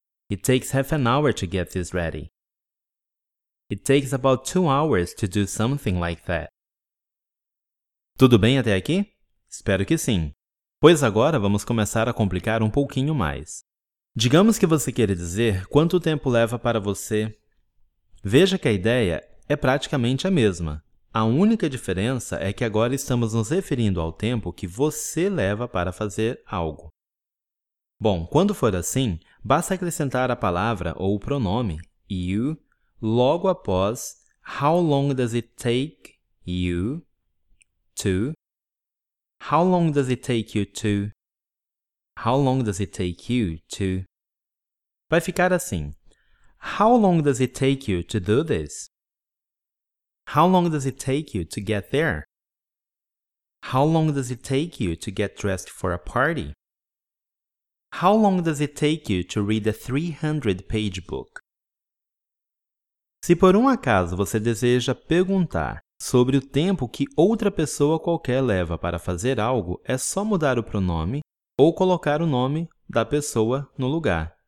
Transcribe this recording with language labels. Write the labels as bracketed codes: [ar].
[en] It takes half an hour to get this ready. It takes about 2 hours to do something like that. [pt] Tudo bem até aqui? Espero que sim. Pois agora vamos começar a complicar um pouquinho mais. Digamos que você queira dizer quanto tempo leva para você. Veja que a ideia é praticamente a mesma. A única diferença é que agora estamos nos referindo ao tempo que você leva para fazer algo. Bom, quando for assim, basta acrescentar a palavra ou o pronome you logo após [en] how long does it take you to. How long does it take you to? How long does it take you to? [pt] Vai ficar assim. [en] How long does it take you to do this? How long does it take you to get there? How long does it take you to get dressed for a party? How long does it take you to read a 300-page book? [pt] Se por um acaso você deseja perguntar sobre o tempo que outra pessoa qualquer leva para fazer algo, é só mudar o pronome ou colocar o nome da pessoa no lugar.